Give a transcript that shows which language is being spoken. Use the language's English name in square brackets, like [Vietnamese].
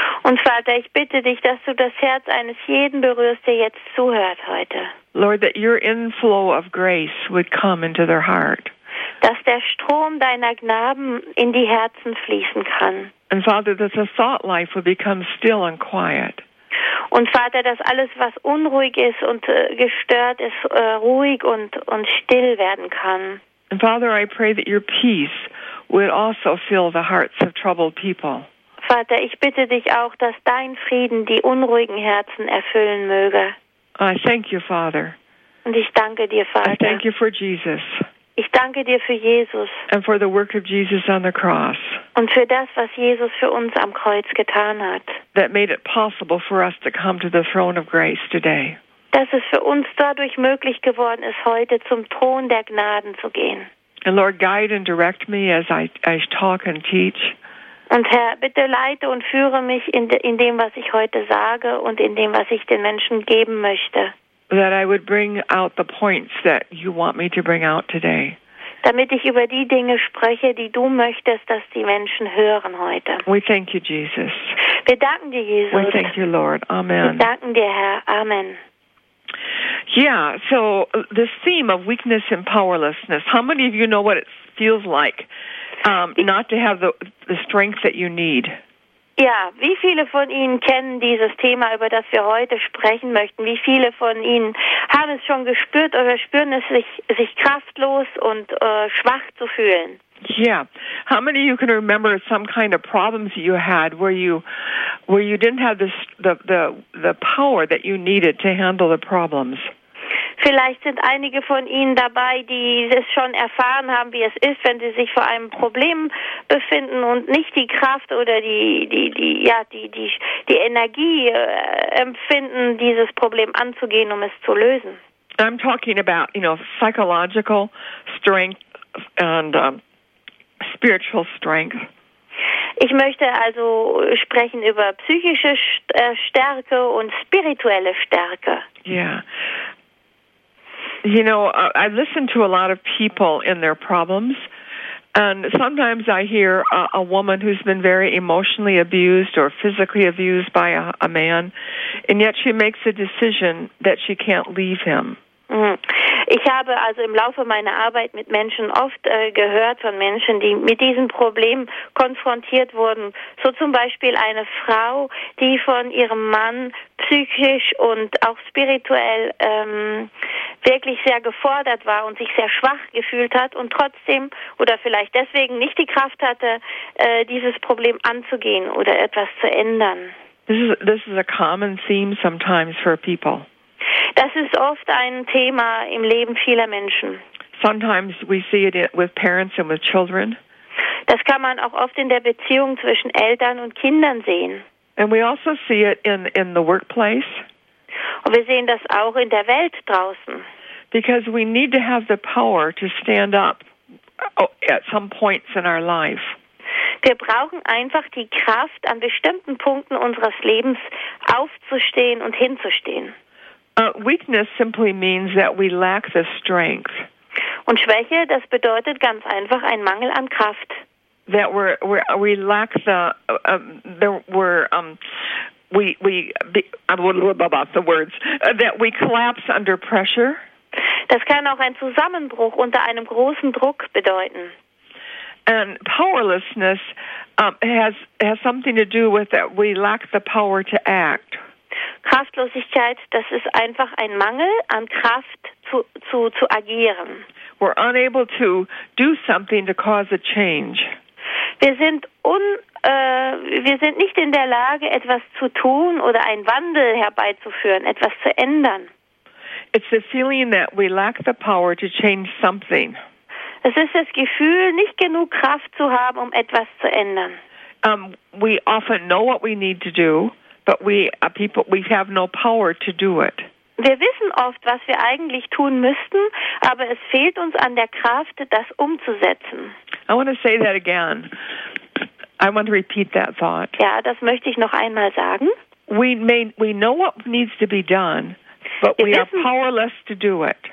[German] Und Vater, ich bitte dich, dass du das Herz eines jeden berührst, der jetzt zuhört heute. [English] Lord, that your inflow of grace would come into their heart. [German] Dass der Strom deiner Gnaden in die Herzen fließen kann. [English] And Father, that the thought life would become still and quiet. [German] Und Vater, dass alles, was unruhig ist und gestört ist, ruhig und still werden kann. [English] And Father, I pray that your peace would also fill the hearts of troubled people. [German] Vater, ich bitte dich auch, dass dein Frieden die unruhigen Herzen erfüllen möge. [English] I thank you, Father. [German] Und ich danke dir, Vater. [English] I thank you for Jesus. [German] Ich danke dir für Jesus. [English] And for the work of Jesus on the cross. [German] Und für das, was Jesus für uns am Kreuz getan hat. [English] That made it possible for us to come to the throne of grace today. [German] Dass es für uns dadurch möglich geworden ist, heute zum Thron der Gnaden zu gehen. [English] And Lord, guide and direct me as I talk and teach. [German] Und Herr, bitte leite und führe mich in dem, was ich heute sage und in dem, was ich den Menschen geben möchte. [English] That I would bring out the points that you want me to bring out today. [German] Damit ich über die Dinge spreche, die du möchtest, dass die Menschen hören heute. [English] We thank you, Jesus. [German] Wir danken dir, Jesus. [English] We thank you, Lord. Amen. [German] Wir danken dir, Herr. Amen. [English] Yeah, so this theme of weakness and powerlessness, how many of you know what it feels like not to have the strength that you need? [German] Ja, wie viele von Ihnen kennen dieses Thema, über das wir heute sprechen möchten? Wie viele von Ihnen haben es schon gespürt oder spüren es, sich kraftlos und schwach zu fühlen? [English] Yeah, how many of you can remember some kind of problems you had where you didn't have the power that you needed to handle the problems? [German] Vielleicht sind einige von Ihnen dabei, die es schon erfahren haben, wie es ist, wenn sie sich vor einem Problem befinden und nicht die Kraft oder die Energie empfinden, dieses Problem anzugehen, um es zu lösen. [English] I'm talking about, you know, psychological strength and spiritual strength. [German] Ich möchte also sprechen über psychische Stärke und spirituelle Stärke. [English] Yeah. You know, I listen to a lot of people in their problems, and sometimes I hear a woman who's been very emotionally abused or physically abused by a man, and yet she makes a decision that she can't leave him. [German] Ich habe also im Laufe meiner Arbeit mit Menschen oft gehört von Menschen, die mit diesem Problem konfrontiert wurden. So zum Beispiel eine Frau, die von ihrem Mann psychisch und auch spirituell wirklich sehr gefordert war und sich sehr schwach gefühlt hat und trotzdem oder vielleicht deswegen nicht die Kraft hatte, dieses Problem anzugehen oder etwas zu ändern. [English] This is a common theme sometimes for people. [German] Das ist oft ein Thema im Leben vieler Menschen. [English] Sometimes we see it with parents and with children. [German] Das kann man auch oft in der Beziehung zwischen Eltern und Kindern sehen. [English] And we also see it in the workplace. [German] Und wir sehen das auch in der Welt draußen. [English] Because we need to have the power to stand up at some points in our life. [German] Wir brauchen einfach die Kraft, an bestimmten Punkten unseres Lebens aufzustehen und hinzustehen. [English] Weakness simply means that we lack the strength. [German] Und Schwäche, das bedeutet ganz einfach ein Mangel an Kraft. [English] That we collapse under pressure. [German] Das kann auch ein Zusammenbruch unter einem großen Druck bedeuten. [English] And powerlessness has something to do with that we lack the power to act. [German] Kraftlosigkeit, das ist einfach ein Mangel an Kraft zu agieren. [English] We're unable to do something to cause a change. [German] Wir sind nicht in der Lage, etwas zu tun oder einen Wandel herbeizuführen, etwas zu ändern. [English] It's the feeling that we lack the power to change something. [German] Es ist das Gefühl, nicht genug Kraft zu haben, um etwas zu ändern. [English] We often know what we need to do. But we have no power to do it. [German] Wir wissen oft, was wir eigentlich tun müssten, aber es fehlt uns an der Kraft, das umzusetzen. [English] I want to say that again. I want to repeat that thought. [German] Ja, das möchte ich noch einmal sagen. [English] We know what needs to be done. But we are powerless to do it.